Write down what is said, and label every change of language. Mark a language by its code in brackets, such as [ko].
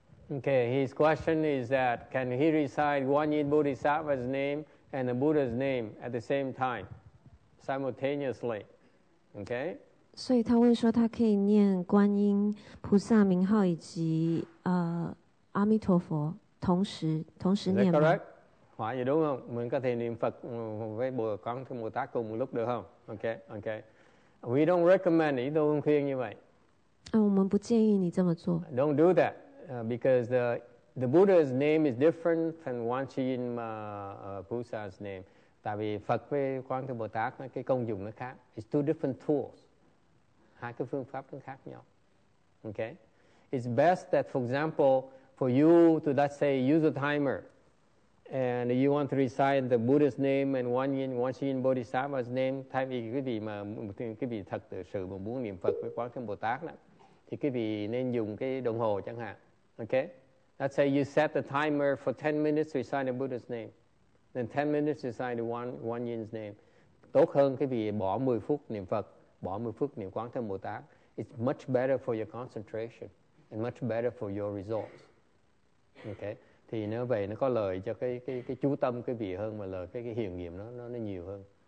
[en] Okay, his question is that can he recite Guanyin Bodhisattva's name and the Buddha's name at the same time, simultaneously? Okay. So he asked that he can read Guanyin Bodhisattva's name and the Buddha's name at the same time. Is that correct? Is that correct? [vi] Hỏi gì đúng không? Mình có thể niệm Phật với Bồ Con Thế Bồ Tát cùng một lúc được không? Okay. [en] We don't recommend it. [vi] Tôi không khuyên như vậy. [en] We don't recommend you to do that. Don't do that. Because the Buddha's name is different than Guanyin Bodhisattva's name. [vi] Tại vì Phật với Quan Thế Bồ Tát cái công dụng nó khác. [en] It's two different tools. [vi] Hai cái phương pháp nó khác nhau. [en] Okay. It's best that, for example, for you to, let's say, use a timer, and you want to recite the Buddha's name and Guanyin Bodhisattva's name. [vi] Thay vì quý vị thật sự mà muốn niệm Phật với Quan Thế Bồ Tát đó, thì quý vị nên dùng cái đồng hồ chẳng hạn. [en] Okay, let's say you set the timer for 10 minutes to recite the Buddha's name. Then 10 minutes to recite the Guanyin's name. [vi] Tốt hơn cái vì bỏ 10 phút niệm Phật, bỏ 10 phút niệm Quán Thế Bồ Tát. [en] It's much better for your concentration and much better for your results. [vi] Okay, thì nếu vậy nó có lợi cho cái chú tâm cái vị hơn mà lợi cái hiền nghiệm nó nhiều hơn.